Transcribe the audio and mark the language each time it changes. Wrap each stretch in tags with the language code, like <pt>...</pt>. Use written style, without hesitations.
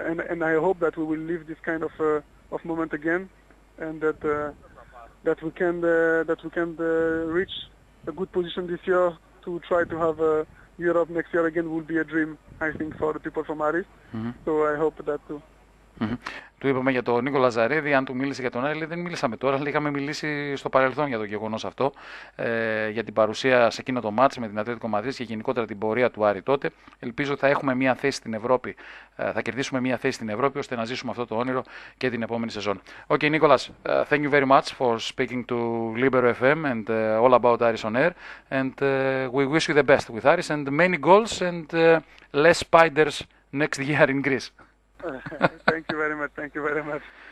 <en>and I hope that we will live this kind of moment again, and that we can reach a good position this year. To try to have Europe next year again will be a dream, I think, for the people from Aris. Mm-hmm. So I hope that too.</en> <el>Του είπαμε για τον Νίκο Λαζαρίδη, αν του μίλησε για τον Άρη, δεν μίλησαμε τώρα, αλλά είχαμε μιλήσει στο παρελθόν για το γεγονός αυτό, για την παρουσία σε εκείνο το μάτς με την Ατλέτικο Μαδρίτης και γενικότερα την πορεία του Άρη τότε. Ελπίζω ότι θα έχουμε μια θέση στην Ευρώπη, θα κερδίσουμε μια θέση στην Ευρώπη, ώστε να ζήσουμε αυτό το όνειρο και την επόμενη σεζόν.</el> <en>Οκ, Νίκολας, thank you very much for speaking to Libero FM and all about Aris on air. And we wish you the best with Aris and many goals and less spiders next year in Greece. Thank you very much. Thank you very much.</en>